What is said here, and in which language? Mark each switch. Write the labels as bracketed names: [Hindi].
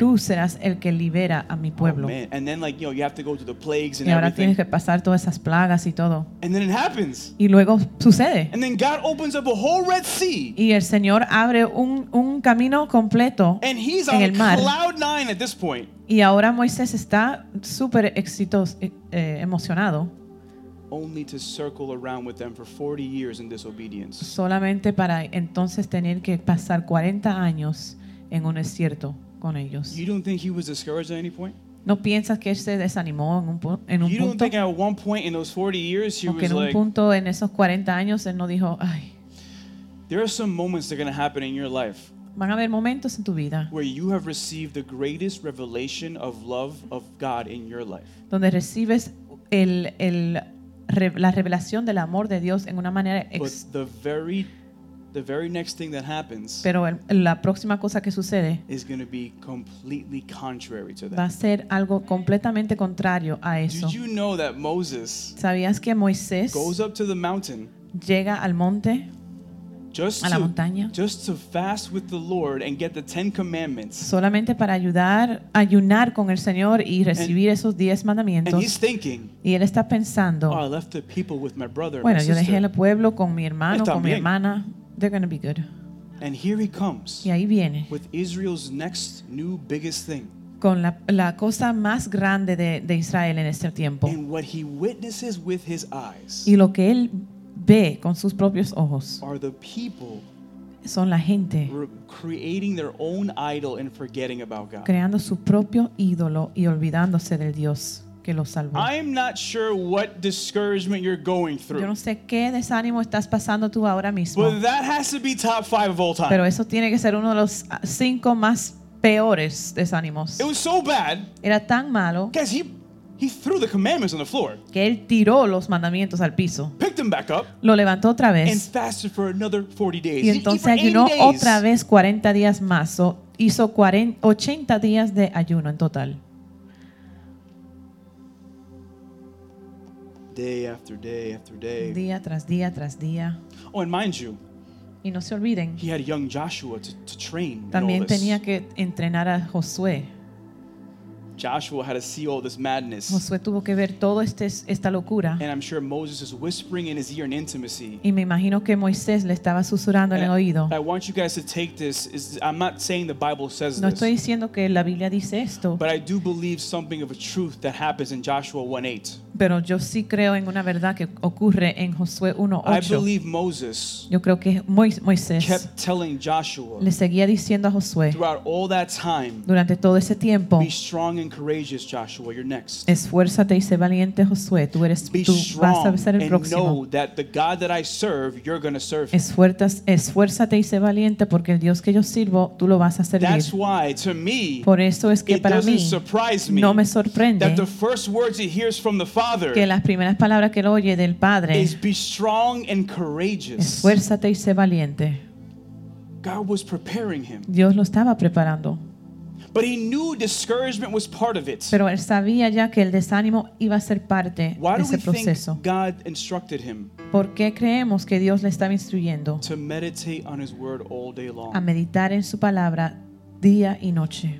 [Spanish] Tú serás el que libera a mi pueblo. [English] Oh, and then, like, you know, you have to go through the plagues and [Spanish] Y ahora tienes que pasar todas esas plagas y todo. [English] And then it happens. [Spanish] Y luego sucede. [English] And then God opens up a whole Red Sea. [Spanish] Y el Señor abre un camino completo en el mar. [English] And he's on cloud nine at this point. [Spanish] Y ahora Moisés está súper emocionado. [English] Only to circle around with them for 40 years in disobedience. [Spanish] Solamente para entonces tener que pasar 40 años en un desierto con ellos. [English] You don't think he was discouraged at any point? [Spanish] ¿No piensas que él se desanimó en un punto? [English] You don't think at one point in those 40 years he was like, [Spanish] en un punto en esos 40 años él no dijo, ay. [English] There are some moments that are going to happen in your life, [Spanish] van a haber momentos en tu vida, [English] where you have received the greatest revelation of love of God in your life, [Spanish] donde recibes la revelación del amor de Dios en una manera [English] but the very the very next thing that happens, [Spanish] pero la próxima cosa que sucede, [English] is going to be completely contrary to that. [Spanish] Va a ser algo completamente contrario a eso. [English] Did you know that Moses, [Spanish] ¿sabías que Moisés, [English] goes up to the mountain, [Spanish] llega al monte, [English] just [Spanish] a la montaña, [English] just to fast with the Lord and get the Ten Commandments, [Spanish] solamente para ayudar, ayunar con el Señor y recibir esos diez mandamientos? [English] And he's thinking, [Spanish] y él está pensando, [English] oh, I left the people with my brother, [Spanish] bueno, [English] my sister. [Spanish] Yo dejé el pueblo con mi hermano, con mi hermana. [English] They're going to be good. And here he comes, [Spanish] y ahí viene, [English] with Israel's next new biggest thing, [Spanish] con la cosa más grande de Israel en este tiempo. [English] And what he witnesses with his eyes, [Spanish] y lo que él ve con sus propios ojos, [English] are the people, [Spanish] son la gente, [English] creating their own idol and forgetting about God, [Spanish] creando su propio ídolo y olvidándose del Dios que los salvó. [English] I'm not sure what discouragement you're going through, [Spanish] yo no sé qué desánimo estás pasando tú ahora mismo, [English] but that has to be top five of all time. [Spanish] Pero eso tiene que ser uno de los cinco más peores desánimos. [English] It was so bad, [Spanish] era tan malo, [English] guys, he threw the commandments on the floor, [Spanish] que él tiró los mandamientos al piso, [English] picked them back up, [Spanish] lo levantó otra vez, [English] and fasted for another 40 days. [Spanish] Y entonces ayunó otra vez 40 días más, o hizo 80 días de ayuno en total. [English] Day after day after day. [Spanish] Día tras día tras día. [English] Oh, and mind you, [Spanish] y no se olviden, [English] he had young Joshua to train. [Spanish] También [English] in all [Spanish] tenía [English] this. [Spanish] Que entrenar a Josué. [English] Joshua had to see all this madness. [Spanish] Josué tuvo que ver todo esta locura. [English] And I'm sure Moses is whispering in his ear in intimacy. [Spanish] Y me imagino que Moisés le estaba susurrando en el oído. [English] I want you guys to take this. I'm not saying the Bible says this. [Spanish] No estoy diciendo que la Biblia dice esto. [English] But I do believe something of a truth that happens in Joshua 1:8. [Spanish] Pero yo sí creo en una verdad que ocurre en Josué 1:8. [English] I believe Moses. [Spanish] Yo creo que Moisés [English] kept telling Joshua. [Spanish] Le seguía diciendo a Josué. [English] Throughout all that time. [Spanish] Durante todo ese tiempo. [English] Be strong and courageous, Joshua, you're next. [Spanish] Esfuérzate y sé valiente, Josué, tú eres, [English] be [Spanish] tú vas a ser el próximo. [English] And know that the God that I serve, you're going to serve. [Spanish] Esfuérzate y sé valiente porque el Dios que yo sirvo, tú lo vas a servir. [English] That's why, to me, [Spanish] por eso es que para mí, no me sorprende, [English] that the first words he hears from the Father, [Spanish] que las primeras palabras que él oye del Padre, [English] is be strong and courageous. [Spanish] Esfuérzate y sé valiente. [English] God was preparing him. [Spanish] Dios lo estaba preparando. [English] But he knew discouragement was part of it. [Spanish] Pero él sabía ya que el desánimo iba a ser parte de ese proceso. [English] Why do we think God instructed him? [Spanish] ¿Por qué creemos que Dios le estaba instruyendo? [English] To meditate on his word all day long. [Spanish] A meditar en su palabra día y noche.